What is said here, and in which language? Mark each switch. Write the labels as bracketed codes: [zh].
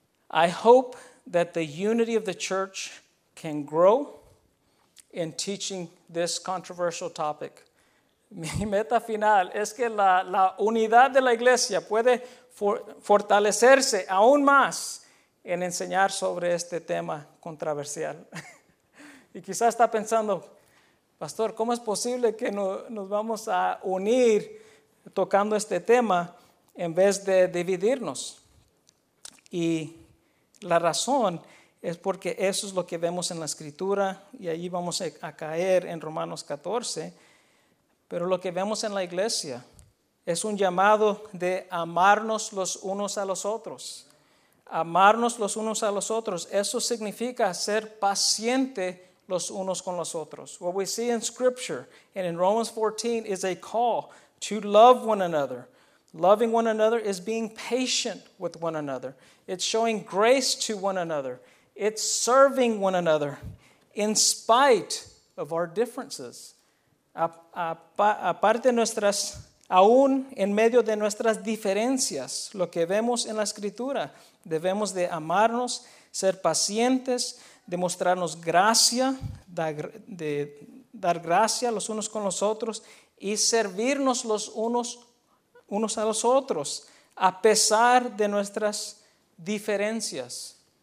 [en] I hope that the unity of the church can grow in teaching this controversial topic. [es] Mi meta final es que la unidad de la iglesia puede fortalecerse aún más en enseñar sobre este tema controversial. Y quizás está pensando, pastor, ¿cómo es posible que nos vamos a unir tocando este tema en vez de dividirnos? Y la razón es porque eso es lo que vemos en la escritura, y ahí vamos a caer en Romanos 14. Pero lo que vemos en la iglesia es un llamado de amarnos los unos a los otros. Amarnos los unos a los otros. Eso significa ser paciente los unos con los otros. [en] What we see in scripture and in Romans 14 is a call to love one another. Loving one another is being patient with one another. It's showing grace to one another. It's serving one another in spite of our differences. [es] Aparte de nuestras Aún en medio de nuestras diferencias, lo que vemos en la Escritura, debemos de amarnos, ser pacientes, demostrarnos gracia, dar gracia los unos con los otros y servirnos los unos a los otros, a pesar de nuestras diferencias.